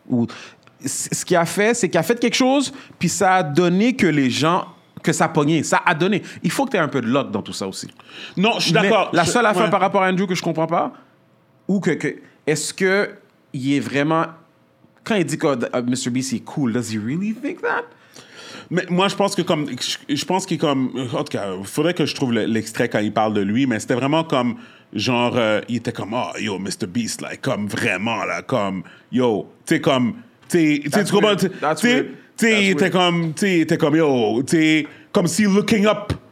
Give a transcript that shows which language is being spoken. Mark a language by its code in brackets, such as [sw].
[fr] Ou ce qu'il a fait, c'est qu'il a fait quelque chose, puis ça a donné que les gens que ça a pogné, ça a donné. Il faut que t'aies un peu de luck dans tout ça aussi. Non, je suis d'accord. La seule affaire ouais. par rapport à Andrew que je comprends pas, ou que est-ce que il est vraiment quand il dit que Mr. [en] Beast est cool, does he really think that? [fr] Mais moi, je pense que comme... Je pense qu'il comme... En tout cas, il faudrait que je trouve l'extrait quand il parle de lui, mais c'était vraiment comme... Genre, il était comme, oh, yo, Mr. Beast, like, comme vraiment, là, comme... Yo, tu sais, comme... T'sais, tu comprends? Il était comme, yo, tu sais, comme si looking up